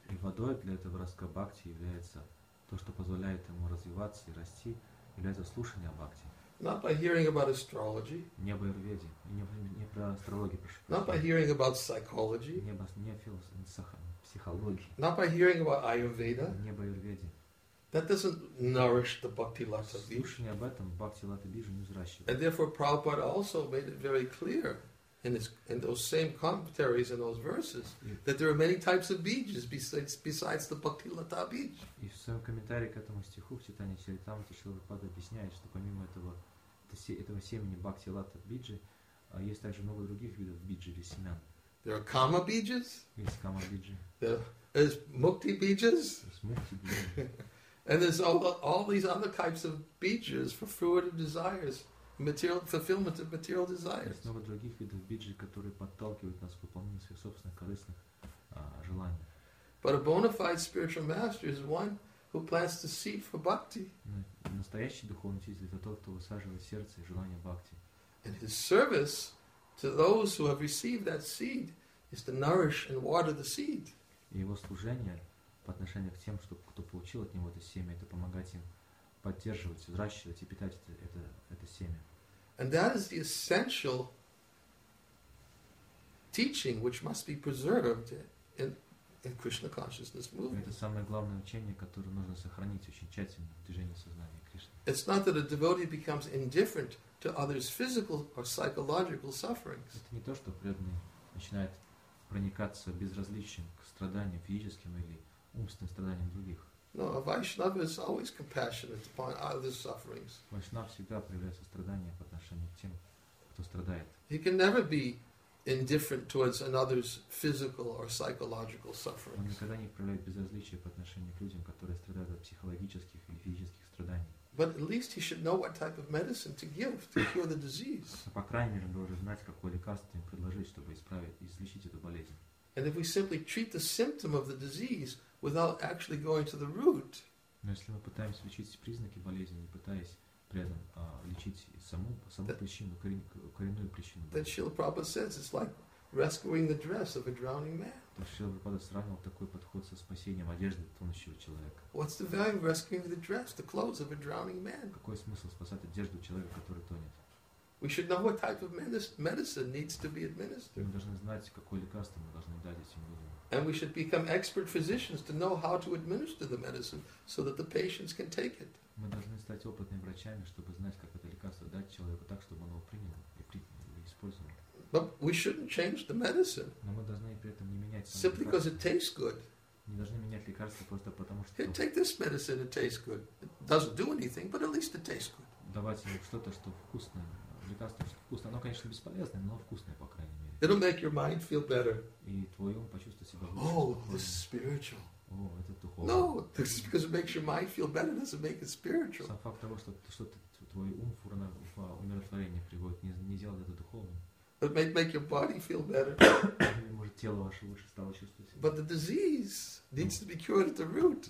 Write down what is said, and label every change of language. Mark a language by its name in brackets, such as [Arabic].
[Russian] И водой для этого ростка бхакти является то, что позволяет ему развиваться и расти, является слушание о бхакти. [English] Not by hearing about astrology. [Russian] Не об аюрведе, не про астрологию, прошу. [English] Not by hearing about psychology. [Russian] Не психологии. [English] Not by hearing about Ayurveda. [Russian] Не об аюрведе. [English] That doesn't nourish the bhakti lata bija. [Russian] Слушание об этом бхакти лата бижа не взращивает. [English] And therefore, Prabhupada also made it very clear in those same commentaries in those verses that there are many types of bijas besides the bhakti lata bija. [Russian] И в своем комментарии к этому стиху в Чайтанья Чаритамрите Шрила Прабхупада объясняет, что помимо этого семени бхакти лата биджи есть также много других видов биджи или семян. [English] There are kama bijas. [Russian] Есть кама биджи. [English] There's mukti bijas. [Russian] Мукти биджи. [English] And there's all these other types of bijas for fruitive desires, material fulfillment of material desires. [Russian] Есть много других видов биджи, которые подталкивают нас к выполнению своих собственных корыстных желаний. [English] But a bona fide spiritual master is one who plants the seed for bhakti. [Russian] Настоящий духовный учитель — это тот, кто высаживает сердце и желание бхакти. [English] And his service to those who have received that seed is to nourish and water the seed. [Russian] И его служение по отношению к тем, что кто получил от него это семя, это помогать им поддерживать, взращивать и питать это семя. [English] And that is the essential teaching which must be preserved in Krishna consciousness movement. [Russian] Это самое главное учение, которое нужно сохранить очень тщательно в движении сознания Кришны. [English] It's not that a devotee becomes indifferent to others' physical or psychological sufferings. [Russian] Это не то, что преданный начинает проникаться безразличием к страданиям физическим или умственным страданиям других. [English] No, a Vaishnava is always compassionate upon others' sufferings. [Russian] Vaishnava всегда проявляет сострадание по отношению к тем, кто страдает. [English] He can never be indifferent towards another's physical or psychological sufferings. [Russian] Он никогда не проявляет безразличия по отношению к людям, которые страдают от психологических и физических страданий. [English] But at least he should know what type of medicine to give to cure the disease. [Russian] По крайней мере, он должен знать, какое лекарство им предложить, чтобы исправить, излечить эту болезнь. [English] And if we simply treat the symptom of the disease without actually going to the root. [Russian] Но если мы пытаемся лечить признаки болезни, не пытаясь при этом лечить саму причину, коренную причину. [English] Then Srila Prabhupada says it's like rescuing the dress of a drowning man. [Russian] То есть Шрила Прабхупада сравнил такой подход со спасением одежды тонущего человека. [English] What's the value of rescuing the dress, the clothes of a drowning man? [Russian] Какой смысл спасать одежду человека, который тонет? [English] We should know what type of medicine needs to be administered. [Russian] Мы должны знать, какое лекарство мы должны дать этим людям. [English] And we should become expert physicians to know how to administer the medicine so that the patients can take it. [Russian] Мы должны стать опытными врачами, чтобы знать, как это лекарство дать человеку так, чтобы он его принял и использовал. [English] But we shouldn't change the medicine. [Russian] Но мы должны при этом не менять [English] лекарство. Simply because it tastes good. [Russian] Не должны менять лекарство просто потому, что. [English] Take this medicine, it tastes good. It doesn't do anything, but at least it tastes good. [Russian] давать ему что-то, что вкусное, лекарство, что вкусное. Оно, конечно, бесполезное, но вкусное, по крайней мере. [English] It'll make your mind feel better. [Russian] И твой ум почувствует себя лучше. [English] Oh, this is spiritual. [Russian] О, это духовно. [English] No, this is because it makes your mind feel better, doesn't make it spiritual. [Russian] Сам факт того, что, что твой ум в умиротворение приводит, не, не делает это духовным. [English] It may make your body feel better. [Russian] Может, тело ваше лучше стало чувствовать себя. [English] But the disease needs to be cured at the root.